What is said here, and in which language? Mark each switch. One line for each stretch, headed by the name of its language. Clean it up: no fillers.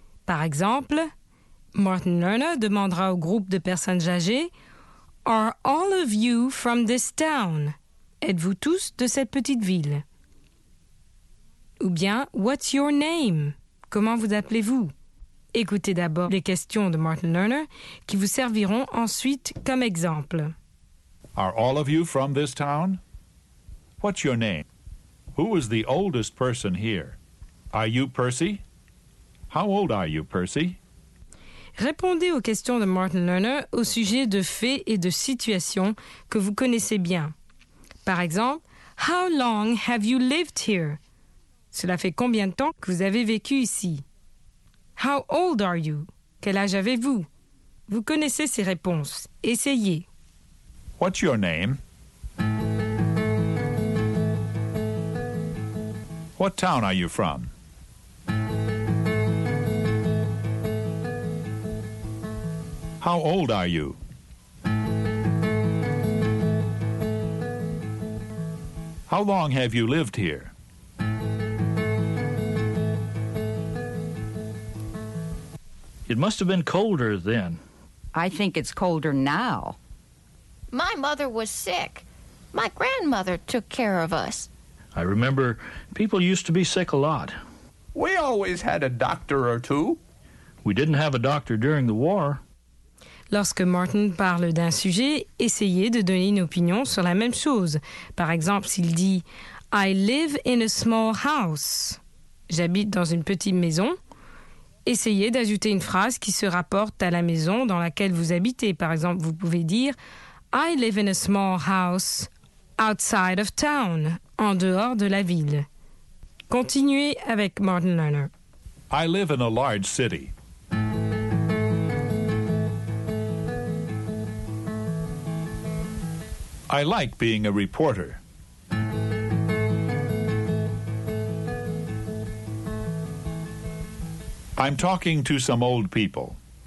French: Par exemple, Martin Lerner demandera au groupe de personnes âgées «
English: Are all of you from this town?
French: » Êtes-vous tous de cette petite ville? Ou bien «
English: What's your name?
French: » Comment vous appelez-vous? Écoutez d'abord les questions de Martin Lerner qui vous serviront ensuite comme exemple.
English: Are all of you from this town? What's your name? Who is the oldest person here? Are you Percy? How old are you, Percy?
French: Répondez aux questions de Martin Lerner au sujet de faits et de situations que vous connaissez bien. Par exemple,
English: How long have you lived here?
French: Cela fait combien de temps que vous avez vécu ici?
English: How old are you?
French: Quel âge avez-vous? Vous connaissez ces réponses. Essayez.
English: What's your name? What town are you from? How old are you? How long have you lived here? It must have been colder then. I think it's colder now. My mother was sick. My grandmother took care of us. I remember people used to be sick a lot. We always had a doctor or two. We didn't have a doctor during the war.
French: Lorsque Martin parle d'un sujet, essayez de donner une opinion sur la même chose. Par exemple, s'il dit
English: I live in a small house.
French: J'habite dans une petite maison. Essayez d'ajouter une phrase qui se rapporte à la maison dans laquelle vous habitez. Par exemple, vous pouvez dire «
English: I live in a small house outside of town
French: », en dehors de la ville. Continuez avec Martin Lerner.
English: « I live in a large city. » « I like being a reporter. » I'm talking to some old people.